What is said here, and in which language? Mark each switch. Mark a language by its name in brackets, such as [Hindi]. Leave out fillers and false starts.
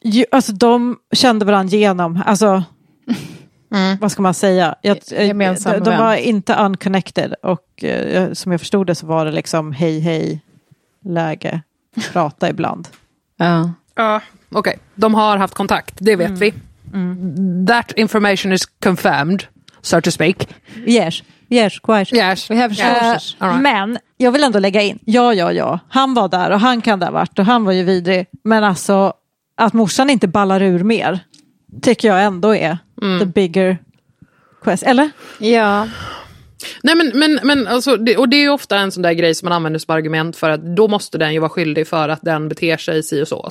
[Swedish] Alltså de kände varandra genom, alltså vad ska man säga, de var inte unconnected och som jag förstod det så var det liksom hej hej läge prata ibland. Ja, okej, de har haft kontakt, det vet vi. [English] That information is confirmed, so to speak. Yes, quite. Yes, we have sources. Right. [Swedish] Men jag vill ändå lägga in, ja, han var där och han kan det ha varit och han var ju vidrig, men alltså att morsan inte ballar ur mer tycker jag ändå är [English] the bigger quest, [Swedish] eller? Ja. Nej, men alltså, det, och det är ju ofta en sån där grej som man använder som argument för att då måste den ju vara skyldig för att den beter sig si och så.